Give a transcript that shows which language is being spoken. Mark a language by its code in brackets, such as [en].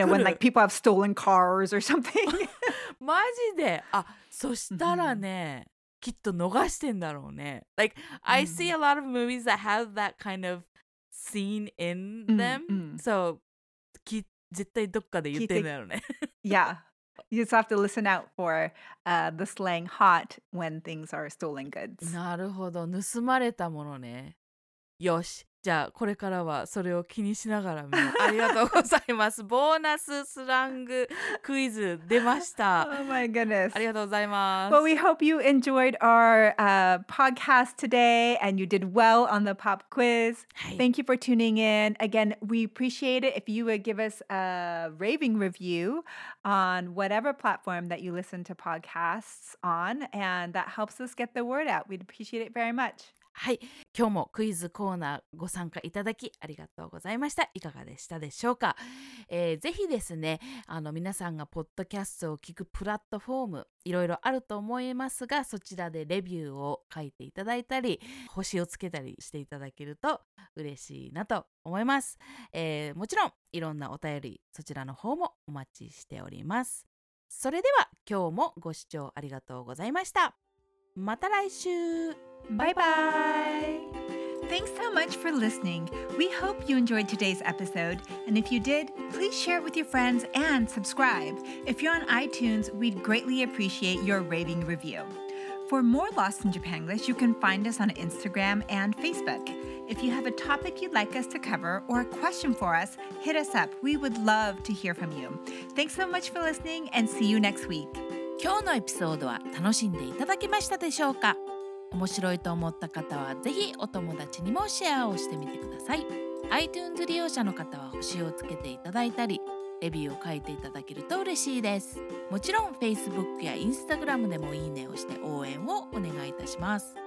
[en] You know, when like people have stolen cars or something. [ja] マジで。あ、そしたらね、きっと逃してんだろうね。 [en] Like, I see a lot of movies that have that kind of scene in them. [ja] So, 絶対どっかで言ってんだろうね。 [en] Yeah. You just have to listen out for the slang hot when things are stolen goods. [ja] なるほど。盗まれたものね。よし。じゃあ、これからはそれを気にしながら見ます。ありがとうございます。ボーナススラングクイズ出ました。 [en] Oh my goodness. [ja] ありがとうございます。 [en] Well, we hope you enjoyed our podcast today and you did well on the pop quiz.、 [ja] はい、 [en] Thank you for tuning in. Again, we appreciate it if you would give us a raving review on whatever platform that you listen to podcasts on, and that helps us get the word out. We'd appreciate it very much. [ja] はい、今日もクイズコーナーご参加いただきありがとうございました。いかがでしたでしょうか、ぜひですね、皆さんがポッドキャストを聞くプラットフォームいろいろあると思いますが、そちらでレビューを書いていただいたり星をつけたりしていただけると嬉しいなと思います、もちろんいろんなお便りそちらの方もお待ちしております。それでは今日もご視聴ありがとうございました。また来週。 [en] Bye-bye! Thanks so much for listening. We hope you enjoyed today's episode. And if you did, please share it with your friends and subscribe. If you're on iTunes, we'd greatly appreciate your raving review. For more Lost in Japanglish, you can find us on Instagram and Facebook. If you have a topic you'd like us to cover or a question for us, hit us up. We would love to hear from you. Thanks so much for listening and see you next week. [ja] 今日のエピソードは楽しんでいただけましたでしょうか?面白いと思った方はぜひお友達にもシェアをしてみてください。 iTunes 利用者の方は星をつけていただいたりレビューを書いていただけると嬉しいです。もちろん Facebook や Instagram でもいいねをして応援をお願いいたします。